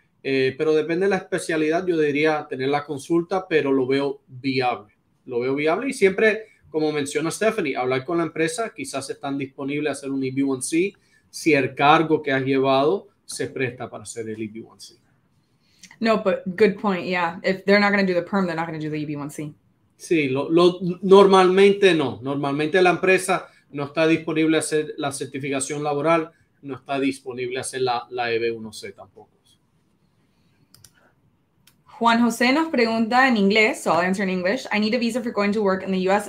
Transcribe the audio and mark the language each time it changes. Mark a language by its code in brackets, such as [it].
[es] Pero depende de la especialidad, yo diría tener la consulta, pero lo veo viable. Lo veo viable y siempre, como menciona Stephanie, hablar con la empresa, quizás están disponibles a hacer un EB1C si el cargo que has llevado se presta para hacer el EB1C. [en] No, but good point, yeah. If they're not going to do the PERM, they're not going to do the EB1C. [es] Sí, lo normalmente no. Normalmente la empresa no está disponible hacer la certificación laboral, no está disponible hacer la EB1C tampoco. Juan José nos pregunta en inglés, [en] so I'll answer in English. I need a visa for going to work in the U.S.